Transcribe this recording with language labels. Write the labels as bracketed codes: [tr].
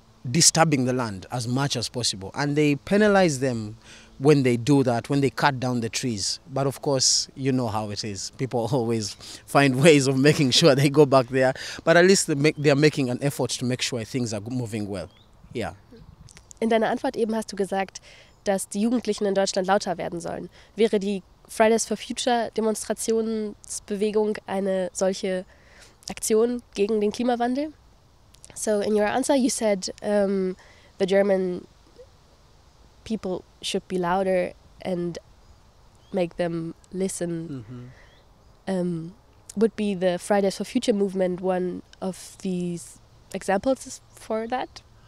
[en] disturbing the land as much as possible, and they penalize them when they do that, when they cut down the trees. But of course, you know how it is. People always find ways of making sure they go back there. But at least they are making an effort to make sure things are moving well. Yeah. [de] In deiner Antwort eben hast du gesagt, dass die Jugendlichen in Deutschland lauter werden sollen. Wäre die Fridays for Future Demonstrationsbewegung eine solche Aktion gegen den Klimawandel? [en] So in your answer you said the German people should be louder and make them listen. Mm-hmm. Would be the Fridays for Future movement one of these examples for that?